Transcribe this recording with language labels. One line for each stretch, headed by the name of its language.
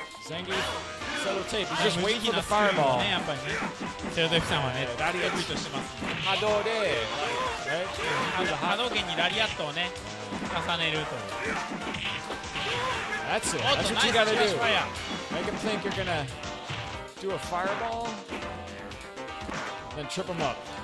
English: Zangief, Settle Tape, just waiting for the fireball.
Japanese: やっぱりね、セロテープさんはね、ラリアットとしてます。波動で、波動圏にラリアットをね、重ねるという。
English: That's it. That's what you gotta do. Make him think you're gonna do a fireball, then trip him up.